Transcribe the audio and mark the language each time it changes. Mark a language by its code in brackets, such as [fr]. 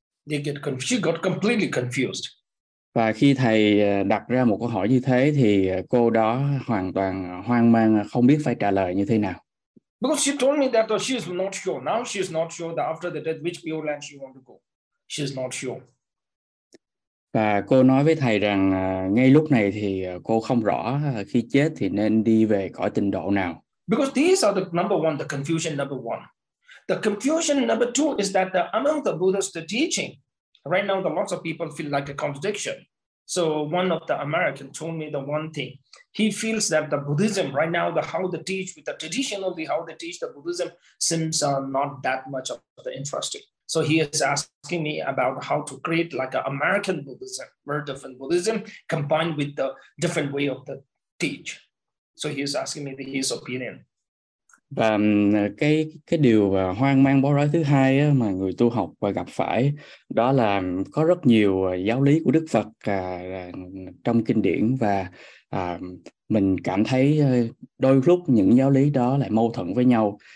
[en] They get confused, got completely confused. [vi] Và khi thầy đặt ra một câu hỏi như thế thì cô đó hoàn toàn hoang mang, không biết phải trả lời như thế nào. [en] Because she told me that she is not sure. Now she is not sure that after the death, which pure land she want to go. She is not sure. [vi] Và cô nói với thầy rằng ngay lúc này thì cô không rõ khi chết thì nên đi về cõi tịnh độ nào. [en] Because these are the number one, the confusion number one. The confusion number two is that among the Buddha's teaching, right now, lots of people feel like a contradiction. So one of the Americans told me the one thing. He feels that the Buddhism right now, how they teach with the traditionally, how they teach the Buddhism seems not that much of the interesting. So he is asking me about how to create like an American Buddhism, very different Buddhism combined with the different way of the teach. So he is asking me his opinion. [vi] Và cái điều hoang mang bối rối thứ hai mà người tu học và gặp phải đó là có rất nhiều giáo lý của Đức Phật trong kinh điển và mình cảm thấy đôi lúc những giáo lý đó lại mâu thuẫn với nhau.